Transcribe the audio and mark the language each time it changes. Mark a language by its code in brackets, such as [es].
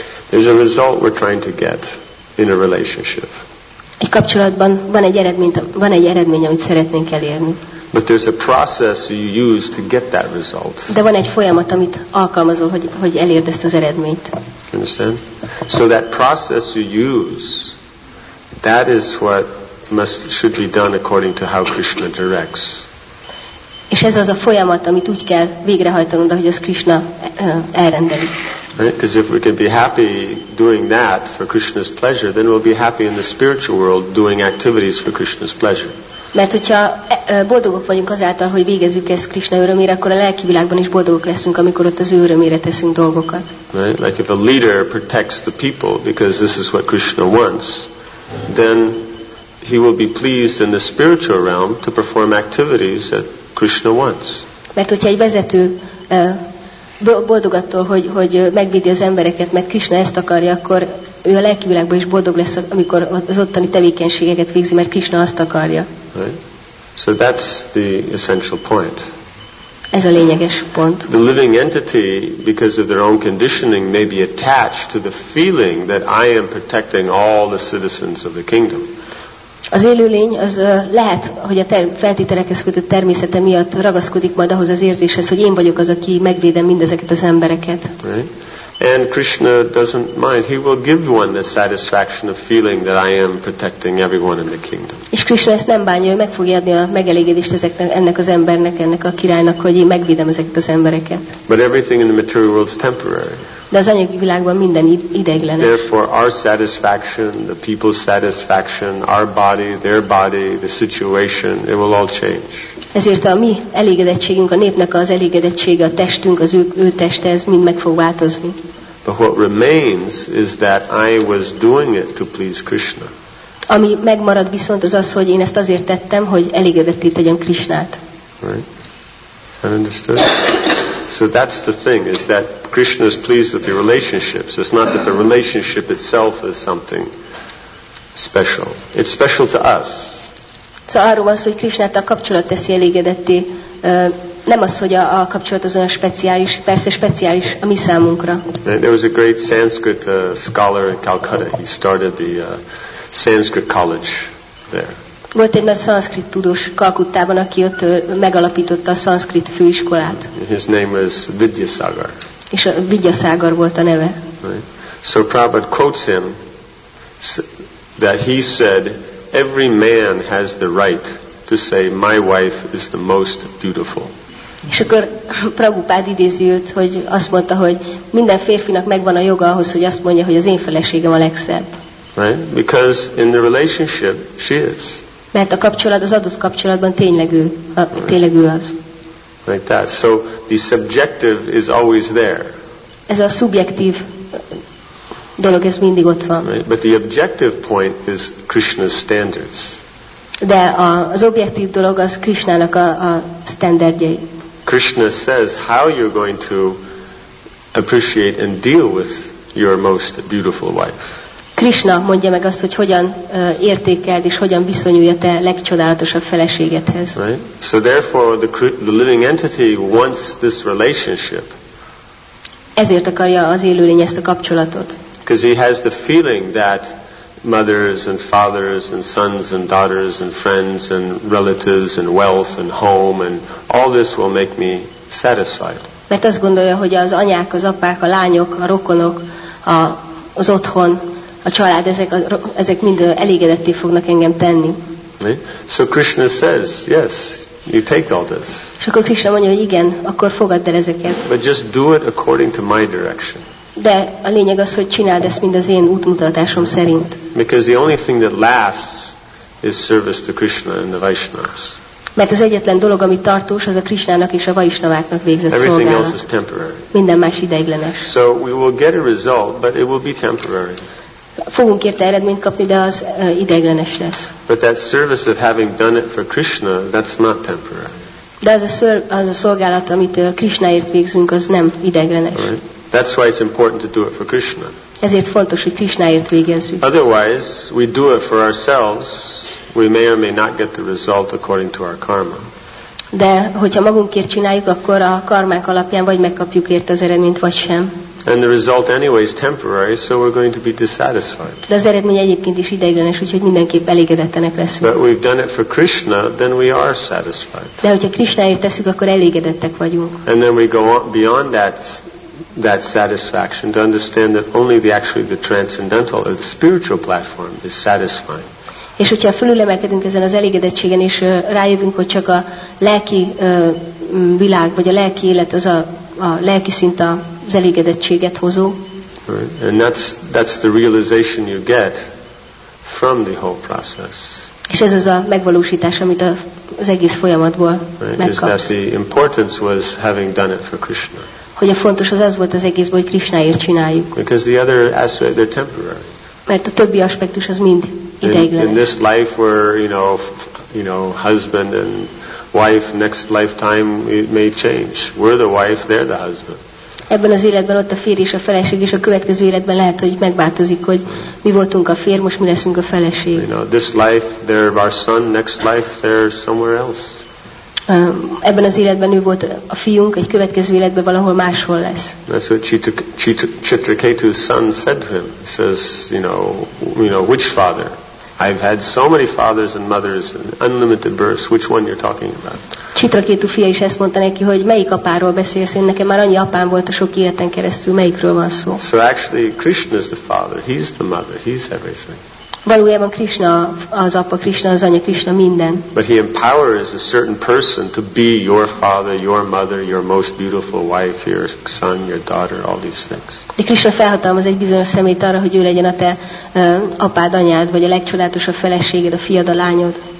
[en] There's a result we're trying to get in a relationship. [hu] Egy kapcsolatban van egy eredmény, amit szeretnénk elérni. [en] But there's a process you use to get that result. [hu] De van egy folyamat, amit alkalmazol, hogy elérd ezt az eredményt. [en] Understand? So that process you use, that is what should be done according to how Krishna directs. [hu] És ez az a folyamat, amit úgy kell végrehajtanod, ahogy az Krishna elrendeli. [en] Because right? If we can be happy doing that for Krishna's pleasure, then we'll be happy in the spiritual world doing activities for Krishna's pleasure. [hu] Mert hogyha boldogok vagyunk azáltal, hogy végezzük ezt Krishna örömére, akkor a lelki világban is boldogok leszünk, amikor ott az ő örömére teszünk dolgokat. [en] Right? Like if a leader protects the people because this is what Krishna wants, then he will be pleased in the spiritual realm to perform activities that Krishna wants. [hu] Mert hogyha egy vezető boldog attól, hogy megvédi az embereket, mert Krishna ezt akarja, akkor ő a lelki világban is boldog lesz, amikor az ottani tevékenységeket végzi, mert Krishna azt akarja. [en] Right. So that's the essential point. [hu] Ez a lényeges pont. [en] The living entity, because of their own conditioning, may be attached to the feeling that I am protecting all the citizens of the kingdom. [hu] Az élőlény az lehet, hogy a feltételekhez kötött természete miatt ragaszkodik majd ahhoz az érzéshez, hogy én vagyok az, aki megvédem mindezeket az embereket. [en] Right. And Krishna doesn't mind. He will give one the satisfaction of feeling that I am protecting everyone in the kingdom. [hu] És Krishna ezt nem bánja, meg fogja adni a megelégedést ezeknek, ennek az embernek, ennek a királynak, hogy én megvédem ezeket az embereket. [en] But everything in the material world is temporary. [hu] De az anyagi világban minden ideiglenes. [en] Therefore, our satisfaction, the people's satisfaction, our body, their body, the situation, it will all change. [hu] Ezért a mi elégedettségünk, a népnek az elégedettsége, a testünk, az ő teste, ez mind meg fog változni. [en] But what remains is that I was doing it to please Krishna. [hu] Ami megmarad viszont az az, hogy én ezt azért tettem, hogy elégedetté tegyem Krishnát. [en] Right. I understood. So that's the thing, is that Krishna is pleased with the relationships. It's not that the relationship itself is something special. It's special to us. [hu] Szóval arról van szó, hogy Krishnát a kapcsolat teszi elégedetté. Nem az, hogy a kapcsolat az olyan speciális, persze speciális a mi számunkra. [en] And there was a great Sanskrit scholar in Calcutta. He started the Sanskrit college there. [hu] Volt egy nagy szanszkrit tudós Kalkuttában, aki ott megalapította a szanszkrit főiskolát. [en] His name was Vidyasagar. [hu] És a Vidyasagar volt a neve. [en] Right. So Prabhupada quotes him that he said, every man has the right to say, my wife is the most beautiful. [hu] És akkor Prabhupád idézi őt, hogy azt mondta, hogy minden férfinak megvan a joga ahhoz, hogy azt mondja, hogy az én feleségem a legszebb. [en] Right? Because in the relationship, she is. [hu] Mert a kapcsolat, az adott kapcsolatban tényleg ő, tényleg ő az. [en] Like that. So the subjective is always there. [hu] Ez a szubjektív dolog, ez mindig ott van. [en] Right. But the objective point is Krishna's standards. [hu] De az objektív dolog az Krishnának a standardjai. [en] Krishna says how you're going to appreciate and deal with your most beautiful wife. [hu] Krishna mondja meg azt, hogy hogyan értékeld és hogyan viszonyulj a te legcsodálatosabb feleségedhez. [en] Right. So therefore the living entity wants this relationship. [hu] Ezért akarja az élőlény ezt a kapcsolatot. [en] Because he has the feeling that mothers and fathers and sons and daughters and friends and relatives and wealth and home and all this will make me satisfied. [hu] Mert azt gondolja, hogy az anyák, az apák, a lányok, a rokonok, az otthon, a család, ezek mind elégedetté fognak engem tenni. [en] So Krishna says, yes, you take all this. [hu] És akkor Krishna mondja, hogy igen, akkor fogadd el ezeket. [en] But just do it according to my direction. [hu] De a lényeg az, hogy csináld ezt mind az én útmutatásom szerint. [en] Because the only thing that lasts is service to Krishna and the Vaishnavas. [hu] Mert az egyetlen dolog, ami tartós, az a Krishnának és a Vaishnavaknak végzett [en] Everything [hu] szolgálat. [en] Everything else is temporary. [hu] Minden más ideiglenes. [en] So we will get a result, but it will be temporary. [hu] Fogunk érte eredményt kapni, de az ideiglenes lesz. [en] But that service of having done it for Krishna, that's not temporary. [hu] De az a szolgálat, amit Krishnaért végzünk, az nem ideiglenes. [en] Right. That's why it's important to do it for Krishna. [hu] Ezért fontos, hogy Krishnaért végezzük. [en] Otherwise, we do it for ourselves, we may or may not get the result according to our karma. [hu] De hogyha magunkért csináljuk, akkor a karmánk alapján vagy megkapjuk érte az eredményt, vagy sem. [en] And the result anyway is temporary, so we're going to be dissatisfied. [hu] De az eredmény egyébként is ideiglenes, úgyhogy mindenképp elégedettenek leszünk. [en] But we've done it for Krishna, then we are satisfied. [hu] De hogyha Krishnaért tesszük, akkor elégedettek vagyunk. [en] And then we go on beyond that satisfaction to understand that only the transcendental or the spiritual platform is satisfying. [hu] És hogyha fölülemelkedünk ezen az elégedettségen, és rájövünk, hogy csak a lelki világ, vagy a lelki élet az a lelki szint az elégedettséget hozó. [en] Right. And that's the realization you get from the whole process. [hu] És ez az a megvalósítás, amit az egész folyamatból megkapsz. [en] Right. Is that the importance was having done it for Krishna. [hu] Hogy a fontos az volt az egészben, hogy Krishnaért csináljuk. [en] Because the other aspect, they're temporary. [hu] Mert a többi aspektus az mind ideiglenes. [en] In this life where you know husband and wife, next lifetime it may change. We're the wife, they're the husband. [hu] Ebben az életben ott a férj és a feleség, és a következő életben lehet, hogy megváltozik, hogy mi voltunk a férj, most mi leszünk a feleség. [en] You know, this life they're our son, next life they're somewhere else. [hu] Ebben az életben ő volt a fiunk, egy következő életben valahol máshol lesz. [en] That's what Chitraketu's son said to him. He says, you know, which father? I've had so many fathers and mothers and unlimited births. Which one you're talking about? [hu] Csitraketu fia is ezt mondta neki, hogy melyik apáról beszélsz? Én nekem már annyi apám volt a sok életen keresztül, melyikről van szó? [en] So actually, Krishna is the father. He's the mother. He's everything. [hu] Valójában Krishna az apa, Krishna az anya, Krishna minden. [en] But he empowers a certain person to be your father, your mother, your most beautiful wife, your son, your daughter, all these things. [hu] De Krishna felhatalmaz egy bizonyos személyt arra, hogy ő legyen a te apád, anyád, vagy a legcsodálatosabb feleséged, a fiad, a lányod.